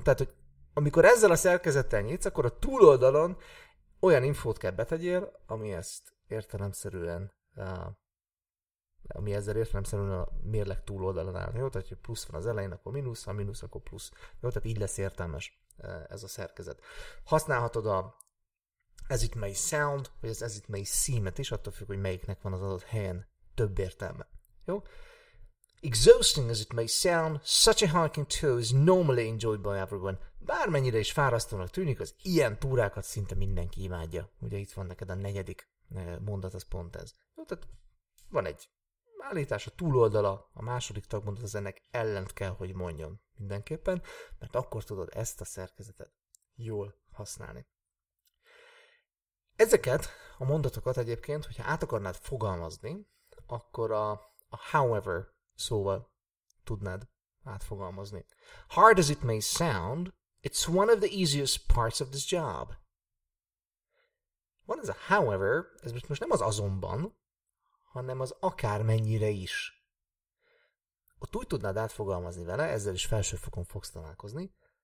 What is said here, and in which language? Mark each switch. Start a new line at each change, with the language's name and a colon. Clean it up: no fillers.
Hungarian: Tehát, hogy amikor ezzel a szerkezettel nyitsz, akkor a túloldalon olyan infót kell betegyél, ami ezt értelemszerűen ami ezzel értelemszerűen a mérleg túloldalon áll. Jó, tehát, hogy plusz van az elején, akkor mínusz, ha mínusz, akkor plusz. Jó, tehát így lesz értelmes ez a szerkezet. Használhatod a
English: as it may sound,
Hungarian: vagy az
English: as it may seem-
Hungarian: et is, attól függ, hogy melyiknek van az adott helyen több értelme. Jó?
English: Exhausting as it may sound, such a hiking tour is normally enjoyed by everyone.
Hungarian: Bármennyire is fárasztónak tűnik, az ilyen túrákat szinte mindenki imádja. Ugye itt van neked a negyedik mondat, az pont ez. Jó, tehát van egy állítás, a túloldala, a második tagmondat az ennek ellent kell, hogy mondjon mindenképpen, mert akkor tudod ezt a szerkezetet jól használni. Ezeket a mondatokat egyébként, hogyha át akarnád fogalmazni, akkor a however szóval tudnád átfogalmazni.
English: Hard as it may sound, it's one of the easiest parts of this job.
Hungarian: Van ez a however, ez most nem az azonban, hanem az akármennyire is. Ott úgy tudnád átfogalmazni vele, ezzel is felső fokon fogsz találkozni.